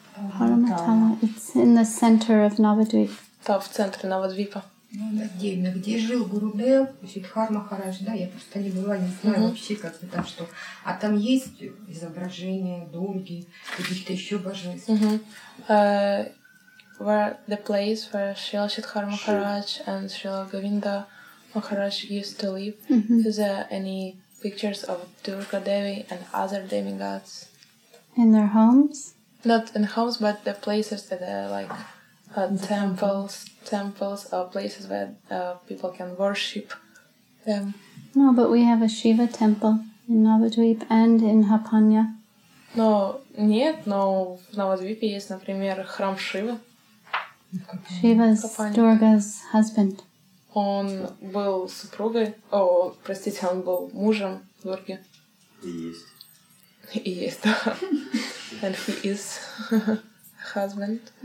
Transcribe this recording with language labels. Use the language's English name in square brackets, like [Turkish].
[English] Paramatala, it's in the center of Navadvip. [Russian] Это в центре Навадвипа. Отдельно, где жил Гурудев, Сиддхар Махарадж, да, я просто не была, не знаю вообще, как это там что. А там есть изображения Дурги, каких-то еще божеств. [English] Where the place where Srila Sridhar Maharaj and Srila Govinda Maharaj used to live, is there any pictures of Durga Devi and other demigods? In their homes? Not in homes, but the places that are like temples or places where people can worship them. No, but we have a Shiva temple in Navadvip and in Hapanya. [Russian] No, нет, но в Навадвипе есть, например, храм Шивы. [English] Shiva's Durga's husband. [Russian] Он был супругой, простите, он был мужем Дурги. И есть. И есть, да. [English] And he is husband.